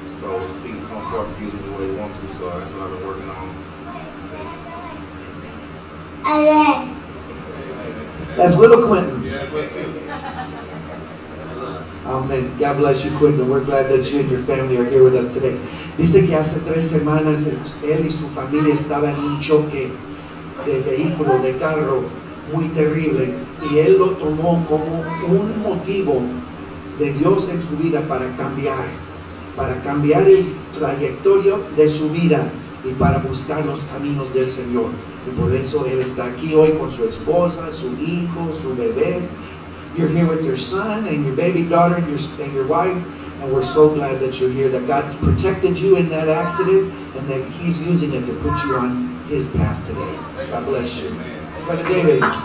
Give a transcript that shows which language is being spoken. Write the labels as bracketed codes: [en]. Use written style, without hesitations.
[en] So he can come forth and use me the way he wants to. So that's what I've been working on. That's little Quentin. Yeah, Quentin. Amen. God bless you, Quentin. We're glad that you and your family are here with us today. [es] Dice que hace tres semanas él y su familia estaba en un choque de vehículo, de carro, muy terrible, y él lo tomó como un motivo de Dios en su vida para cambiar el trayectorio de su vida y para buscar los caminos del Señor. Y por eso él está aquí hoy con su esposa, su hijo, su bebé. [en] You're here with your son and your baby daughter and your wife, and we're so glad that you're here, that God protected you in that accident, and that he's using it to put you on his path today. God bless you. Brother David.